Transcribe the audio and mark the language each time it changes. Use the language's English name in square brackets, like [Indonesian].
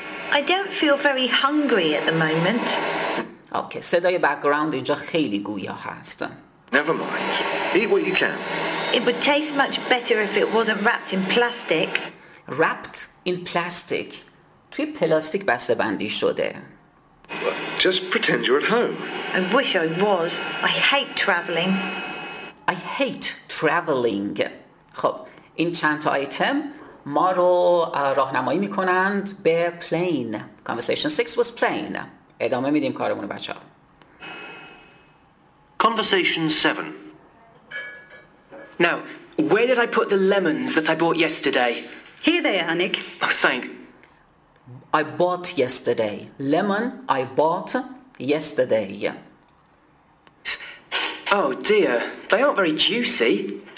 [English] I don't feel very hungry at the moment. [Persian] Okay, صدای background اینجا خیلی گویا هست. [English] Never mind. Eat what you can. It would taste much better if it wasn't wrapped in plastic. Wrapped in plastic. [Persian] توی پلاستیک بسته‌بندی شده. [English] Just pretend you're at home. I wish I was. I hate traveling. I hate traveling. [Persian] خب این چند تا آیتم ما رو راهنمایی میکنند به پلین. [English] Conversation 6 was plain. [Persian] ادامه میدیم کارمون بچه ها. [English] Conversation 7. Now, where did I put the lemons that I bought yesterday? Here they are, Nick. Oh, thanks. I bought yesterday. Lemon I bought yesterday. Oh dear, they aren't very juicy.